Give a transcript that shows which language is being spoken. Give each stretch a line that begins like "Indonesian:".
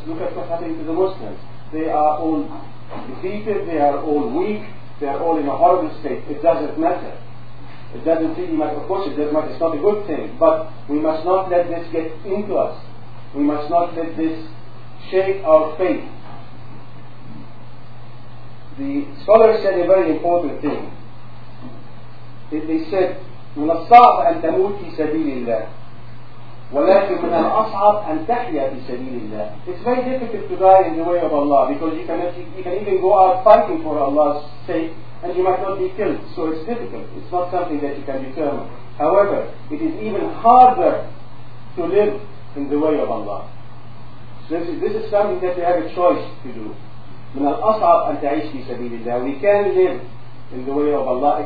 English: Look at what's happening to the Muslims. They are all defeated, they are all weak, they are all in a horrible state. It doesn't matter. It doesn't really matter. Of course, it doesn't matter. It's not a good thing. But we must not let this get into us. We must not let this shake our faith. The scholars said a very important thing. They said,
Arabic: من الصعب أن تموت في سبيل الله ولكن من الأصعب أن تحيا في سبيل الله.
English: It's very difficult to die in the way of Allah, because you can even go out fighting for Allah's sake and you might not be killed. So it's difficult. It's not something that you can determine. However, it is even harder to live in the way of Allah. So this is something that you have a choice to do.
Arabic: من الأصعب أن تعيش في سبيل الله.
English: We can live in the way of Allah.